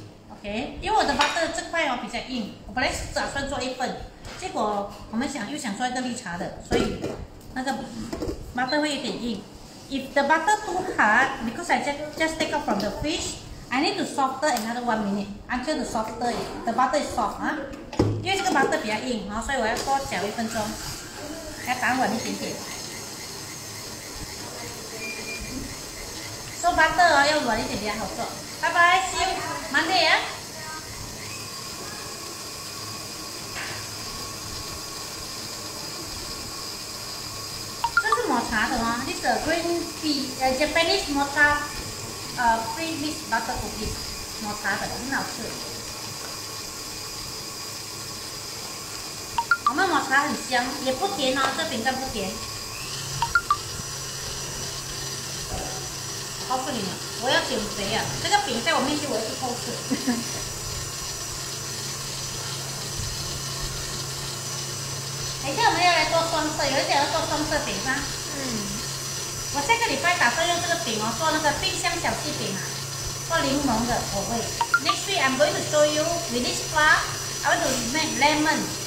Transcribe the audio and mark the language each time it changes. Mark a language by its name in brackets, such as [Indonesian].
[Chinese] okay. 因为我的 butter 这块哦比较硬，我本来是打算做一份，结果我们想又想做一个绿茶的，所以那个 butter 会有点硬。 [English] If the butter too hard, because I just take out from the fish, I need to soften another 1 minute until the softer the butter is soft, huh? [Chinese] 因为这个 butter 比较硬，然后所以我要多搅一分钟，要打稳一点点。 So butter 哦，要软一点比较好做。拜拜 ， [English] see you Monday [Chinese] 啊。这是抹茶的吗 [English] ？This is a green tea, Japanese mocha, free mixed butter cookies, [Chinese] 抹茶的，很好吃。我们抹茶很香，也不甜哦，这饼干不甜。告诉你们，我要减肥啊！这个饼在我面前，我要去偷吃。等一下我们要来做双色，有一点要做双色饼吗？嗯。我下个礼拜打算用这个饼哦，做那个冰箱小细饼啊，做柠檬的口味。 [English] Next week I'm going to show you with this flour, I want to make lemon.